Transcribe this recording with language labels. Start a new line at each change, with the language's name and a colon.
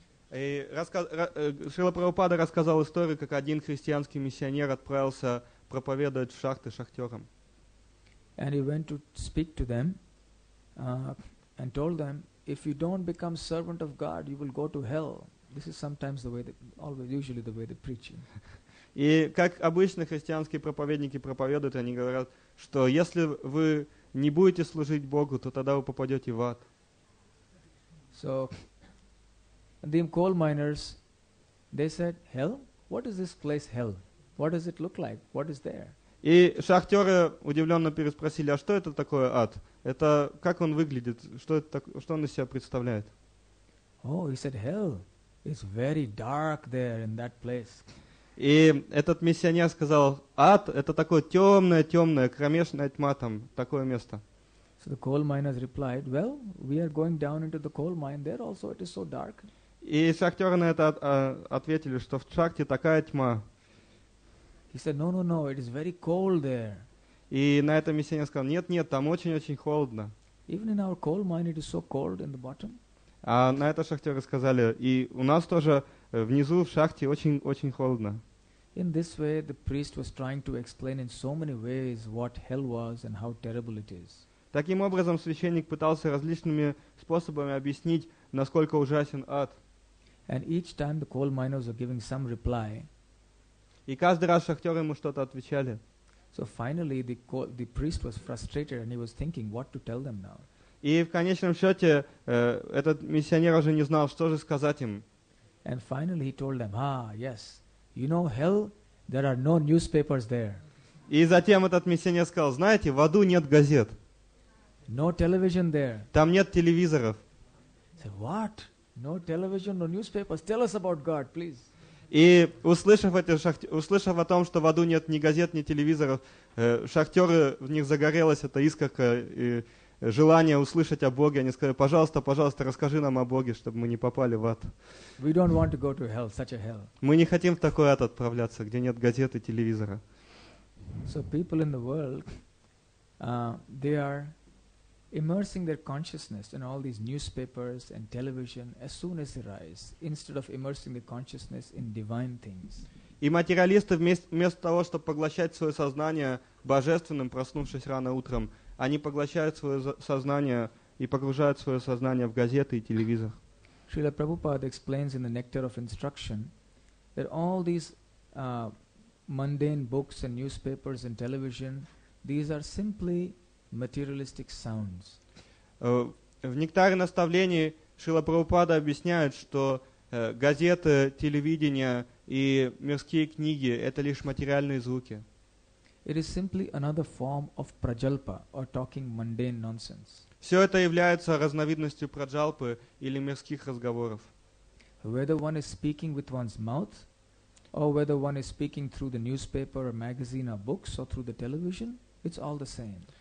Russian: Srila Prabhupada рассказал историю, как один христианский миссионер отправился проповедовать в шахты шахтерам.
English: And he went to speak to them and told them, if you don't become servant of God, you will go to hell. This is sometimes the way that, always, usually the way they preach.
Russian: И как обычно христианские проповедники проповедуют, они говорят, что если вы не будете служить Богу, то тогда вы попадете в ад.
English: So, the coal miners, they said, hell? What is this place hell? What does it look like? What is there?
Russian: И шахтеры удивленно переспросили, а что это такое ад? Это как он выглядит? Что он из себя представляет?
English: Oh, he said, hell is very dark there in that place.
Russian: И этот миссионер сказал, ад — это такое темное, кромешная тьма там, такое место.
English: So the coal miners replied, well, we are going down into the coal mine, there also it is so dark.
Russian: И шахтеры на это ответили, что в шахте такая тьма.
English: He said, no, it is very cold there.
Russian: И на это миссионер сказал, нет, там очень-очень холодно.
English: Even in our coal mine it is so cold in the bottom.
Russian: А на это шахтеры сказали, и у нас тоже внизу в шахте очень-очень холодно.
English: In this way, the priest was trying to explain in so many ways what hell was and how terrible it is.
Russian: Таким образом, священник пытался различными способами объяснить, насколько ужасен ад.
English: And each time the coal miners were giving some reply.
Russian: И каждый раз шахтеры ему что-то отвечали.
English: So finally, the priest was frustrated and he was thinking what to tell them now.
Russian: И в конечном счете, этот миссионер уже не знал, что же сказать им.
English: And finally he told them, ah, yes, you know hell, there are no newspapers there.
Russian: И затем этот миссионер сказал, знаете, в аду нет газет.
English: No television there.
Russian: Там нет телевизоров.
English: He said, what? No television, no newspapers. Tell us about God, please.
Russian: И услышав о том, что в аду нет ни газет, ни телевизоров, шахтеры, в них загорелась эта искорка и желание услышать о Боге. Они сказали, пожалуйста, расскажи нам о Боге, чтобы мы не попали в ад.
English: We don't want to go to hell, such a hell.
Russian: Мы не хотим в такой ад отправляться, где нет газет и телевизора.
English: So people in the world, they are immersing their consciousness in all these newspapers and television as soon as they rise, instead of immersing their consciousness in divine things.
Russian: И материалисты вместо того, чтобы поглощать свое сознание божественным, проснувшись рано утром, они поглощают свое сознание и погружают свое сознание в газеты и телевизор.
English: Шрила Прабхупада explains in the Nectar of Instruction that all these mundane books and newspapers and television, these are simply materialistic sounds.
Russian: В Нектаре наставлений Шрила Прабхупада объясняет, что газеты, телевидение и мирские книги — это лишь материальные звуки.
English: It is simply another form of prajalpa, or talking mundane nonsense.
Russian: Все это является разновидностью праджалпы или мирских разговоров.
English: Whether one is speaking with one's mouth, or whether one is speaking through the newspaper, or magazine, or books, or through the television, it's all the same.